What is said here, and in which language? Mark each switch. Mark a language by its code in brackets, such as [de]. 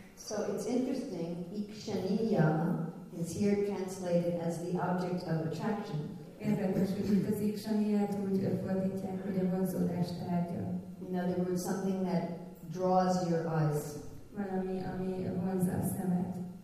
[en] So it's interesting, ikshaniya is here translated as the object of attraction. [hu] Érdekes, hogy itt az ikshaniyát úgy fordítják, hogy a vonzódás tárgya. [en] In other words, something that draws your eyes. [hu] Valami, ami vonza a szemet.